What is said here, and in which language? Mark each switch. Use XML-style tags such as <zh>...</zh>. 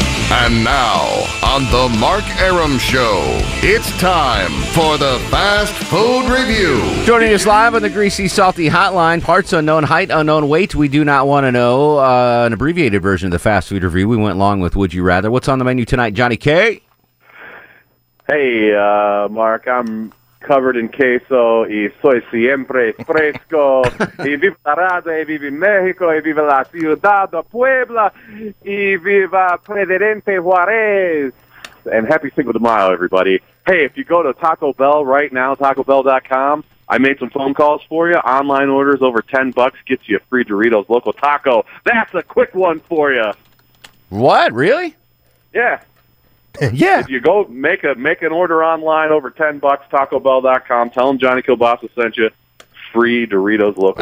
<en>And now, on the Mark Arum Show, it's time for the Fast Food Review. Joining us live on the Greasy Salty Hotline, parts unknown, height unknown, weight we do not want to know, an abbreviated version of the Fast Food Review. We went long with Would You Rather. What's on the menu tonight, Johnny K? Hey, Mark, I'm covered in queso,</en> <es>y soy siempre fresco, y viva la raza, y viva México, y viva la ciudad de Puebla, y viva Presidente Juarez.</es> <en>And happy Cinco de Mayo, everybody. Hey, if you go to Taco Bell right now, tacobell.com, I made some phone calls for you. Online orders over $10 gets you a free Doritos Loco Taco. That's a quick one for you. What? Really? Yeah. Yeah. If you go make an order online over $10, TacoBell.com, tell them Johnny Kielbasa sent you, free Doritos Loco.</en>